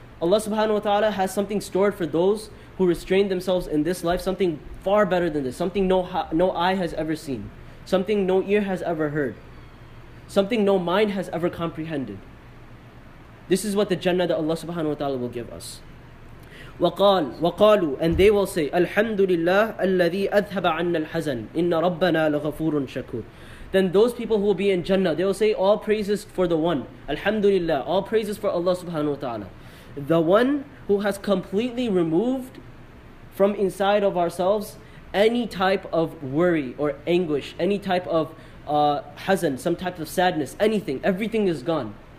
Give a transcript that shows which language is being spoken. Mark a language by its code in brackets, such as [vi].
[en] Allah subhanahu wa ta'ala has something stored for those who restrain themselves in this life, something far better than this, something no eye has ever seen, something no ear has ever heard, something no mind has ever comprehended. This is what the Jannah that Allah subhanahu wa ta'ala will give us. [ar] وقالوا, [en] and they will say, [ar] الحمد لله الذي أذهب عنا الحزن إن ربنا لغفور شكور. [en] Then those people who will be in Jannah, they will say, all praises for the one, Alhamdulillah, all praises for Allah subhanahu wa ta'ala, the one who has completely removed from inside of ourselves any type of worry or anguish, any type of hazan, some type of sadness, anything, everything is gone.